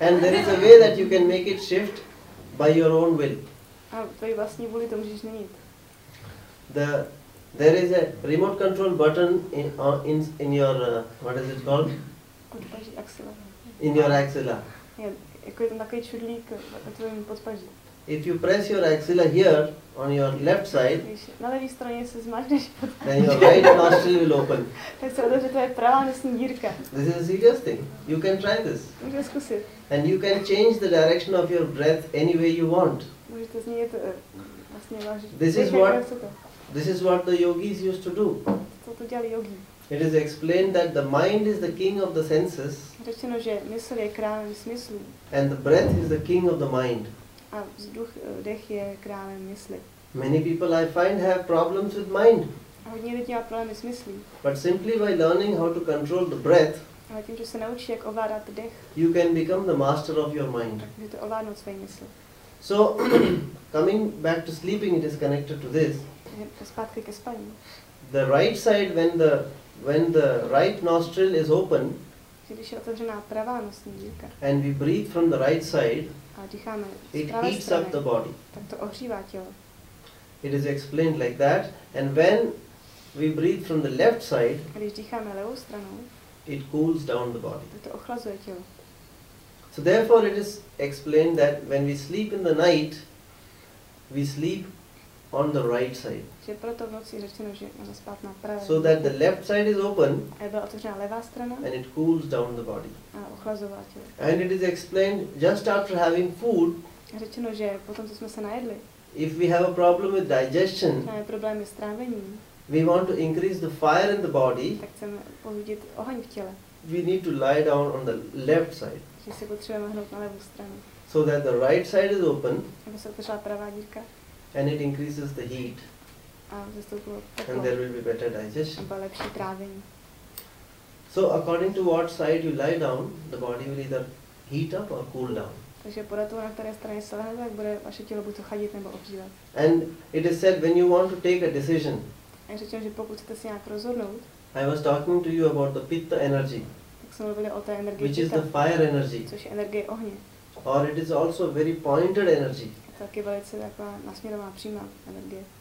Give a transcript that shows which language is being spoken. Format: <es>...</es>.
<en>and there is a way that you can make it shift by your own will.</en> <cs>A tvojí vlastní vůli to můžeš změnit.</cs> <en>There is a remote control button in your what is it called?</en> <cs>Podpaží, axila.</cs> <en>In your axila.</en> <cs>Je, jako je tam takový čudlík na tvojím podpaží.</cs> <en>If you press your axilla here on your left side,</en> <cs>na levé straně se zmáčneš.</cs> <en>Then your right nostril will open.</en> <cs>Takže to je pravá nosní dírka.</cs> <en>This is a serious thing. You can try this.</en> <cs>Můžeš zkusit.</cs> <en>And you can change the direction of your breath any way you want.</en> <cs>Můžete změnit vlastně váš.</cs> <en>This is what the yogis used to do.</en> <cs>Co to dělali yogi?</cs> <en>It is explained that the mind is the king of the senses.</en> <cs>Řečeno, že mysl je králem smyslů.</cs> <en>And the breath is the king of the mind.</en> <cs>A vzduch, dech je králem mysli.</cs> <en>Many people I find have problems with mind.</en> <cs>Hodně lidí má problémy s myslí.</cs> <en>But simply by learning how to control the breath,</en> <cs>ale tím, že se naučí, jak ovládat dech,</cs> <en>you can become the master of your mind.</en> <cs>Tak můžete ovládnout své mysli.</cs> <en>So, coming back to sleeping, it is connected to this.</en> <cs>Zpátky ke spaní.</cs> <en>The right side, when the right nostril is open,</en> <cs>když je otevřená pravá nosní dírka,</cs> <en>and we breathe from the right side, it heats up the body.</en> <cs>Tak to ohřívá tělo.</cs> <en>It is explained like that. And when we breathe from the left side,</en> <cs>když dýcháme levou stranou,</cs> <en>it cools down the body.</en> <cs>Tak to ochlazuje tělo.</cs> <en>So therefore it is explained that when we sleep in the night, we sleep on the right side.</en> <cs>Že proto v noci řečeno, že máme spát na pravé.</cs> <en>So that the left side is open,</en> <cs>aby byla otevřená levá strana,</cs> <en>and it cools down the body.</en> <cs>A ochlazuje tělo.</cs> <en>And it is explained just after having food,</en> <cs>řečeno, že potom, co jsme se najedli,</cs> <en>if we have a problem with digestion,</en> <cs>máme problémy s trávením,</cs> <en>we want to increase the fire in the body,</en> <cs>tak chceme pohudit oheň v těle,</cs> <en>we need to lie down on the left side,</en> <cs>že si potřebujeme hnout na levou stranu,</cs> <en>so that the right side is open,</en> <cs>aby se otevřela pravá dírka,</cs> <en>and it increases the heat, and there will be better digestion.</en> <cs>Bylo lepší trávení.</cs> <en>So according to what side you lie down, the body will either heat up or cool down.</en> <cs>Takže podle toho, na které straně se lehne, tak bude vaše tělo buď chladit nebo ohřívat.</cs> <en>And it is said when you want to take a decision.</en> <cs>A řečeno, že pokud chcete si nějak rozhodnout.</cs> <en>I was talking to you about the pitta energy.</en> <cs>Tak jsem mluvila o té energii.</cs> <en>Which is the fire energy.</en> <cs>Což je energie ohně.</cs> <en>Or it is also very pointed energy.</en> <cs>Taky velice taková nasměrovaná přímá energie.</cs>